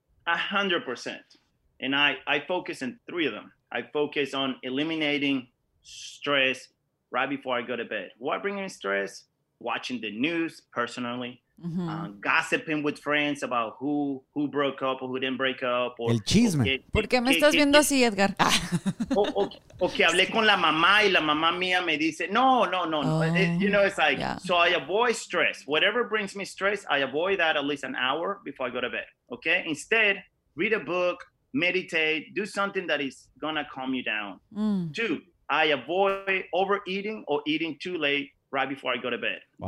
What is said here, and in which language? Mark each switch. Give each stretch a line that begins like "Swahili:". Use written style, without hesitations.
English: 100%. And I focus on three of them. I focus on eliminating stress right before I go to bed. What brings in stress? Watching the news personally, gossiping with friends about who broke up or who didn't break up. Or,
Spanish: el chisme. Okay, ¿por qué me estás viendo así, Edgar? Okay, hablé con la mamá y la mamá mía me dice, no.
English: Oh, you know, it's like, yeah. So I avoid stress. Whatever brings me stress, I avoid that at least an hour before I go to bed. Okay, instead, read a book, meditate, do something that is going to calm you down. Mm. Two, I avoid overeating or eating too late right before I go to bed. Wow.